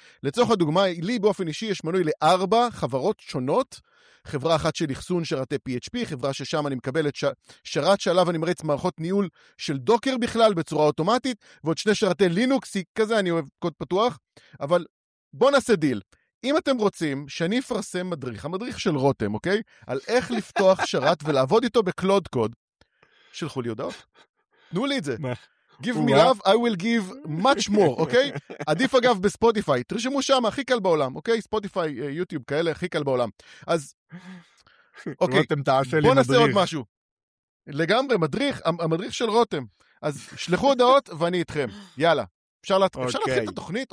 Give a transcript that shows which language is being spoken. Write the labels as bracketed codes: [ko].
[he] לצורך הדוגמה, לי באופן אישי יש מנוי ל4 חברות שונות, חברה אחת של אחסון שרתי PHP, חברה ששם אני מקבל את שרת שעליו אני מריץ מערכות ניהול של דוקר בכלל בצורה אוטומטית, ועוד שני שרתי לינוקס, כזה אני אוהב קוד פתוח, אבל בוא נעשה דיל. אם אתם רוצים שאני אפרסם מדריך, המדריך של רותם, אוקיי? על איך לפתוח שרת ולעבוד איתו בקלוד קוד, שלחו לי הודעות. תנו לי את זה. [en] Give me love, I will give much more, אוקיי? [he] עדיף אגב בספוטיפיי, תרשמו שם, הכי קל בעולם, אוקיי? ספוטיפיי, יוטיוב, כאלה, הכי קל בעולם. אז, אוקיי, בוא נעשה עוד משהו. לגמרי, מדריך, המדריך של רותם. אז שלחו הודעות ואני איתכם. יאללה, אפשר להתחיל את התוכנית?